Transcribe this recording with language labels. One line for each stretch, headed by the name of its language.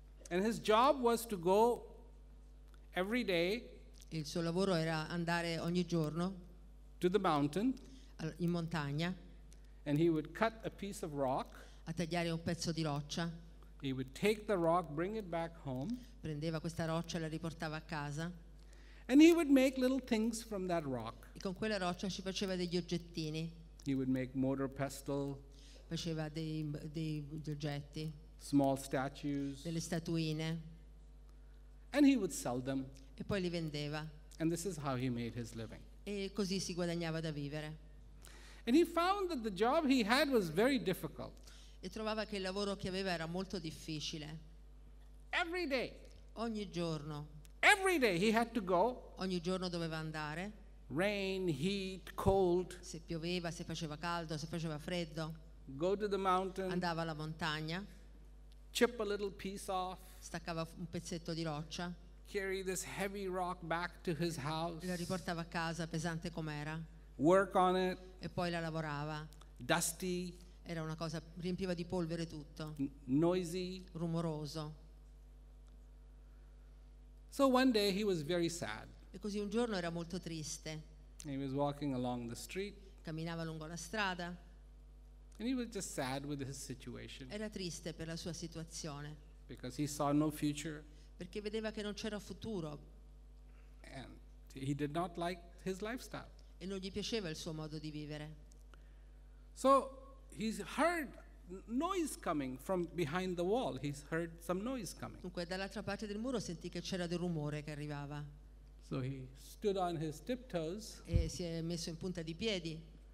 English: And his job was to go every day.
Italian: Il suo lavoro era andare ogni giorno
English: to the mountain,
Italian: in montagna,
English: and he would cut a piece of rock,
Italian: a tagliare un pezzo di roccia.
English: He would take the rock, bring it back home,
Italian: prendeva questa roccia e la riportava a casa,
English: and he would make little things from that rock.
Italian: E con quella roccia ci faceva degli oggettini.
English: He would make mortar pestle,
Italian: faceva degli oggetti,
English: small statues,
Italian: delle statuine.
English: And he would sell them.
Italian: E poi li vendeva.
English: And this is how he made his living.
Italian: E così si guadagnava da vivere.
English: And he found that the job he had was very difficult.
Italian: E trovava che il lavoro che aveva era molto difficile.
English: Every day.
Italian: Ogni giorno.
English: Every day he had to go.
Italian: Ogni giorno doveva andare.
English: Rain, heat, cold.
Italian: Se pioveva, se faceva caldo, se faceva freddo.
English: Go to the mountain.
Italian: Andava alla montagna.
English: Chip a little piece off.
Italian: Staccava un pezzetto di roccia.
English: Carry this heavy rock back to his house.
Italian: La riportava a casa pesante com'era.
English: Work on it.
Italian: E poi la lavorava.
English: Dusty.
Italian: Era una cosa, riempiva di polvere tutto.
English: Noisy.
Italian: Rumoroso.
English: So one day he was very sad.
Italian: E così un giorno era molto triste.
English: And he was walking along the street.
Italian: Camminava lungo la strada.
English: And he was just sad with his situation.
Italian: Era triste per la sua situazione.
English: Because he saw no future.
Italian: Perché vedeva che non c'era futuro.
English: And he did not like his lifestyle.
Italian: E non gli piaceva il suo modo di vivere.
English: So he heard noise coming from behind the wall. He heard some noise coming.
Italian: Dunque dall'altra parte del muro sentì che c'era del rumore che arrivava.
English: So he stood on his tiptoes.
Italian: E si è messo in punta di piedi.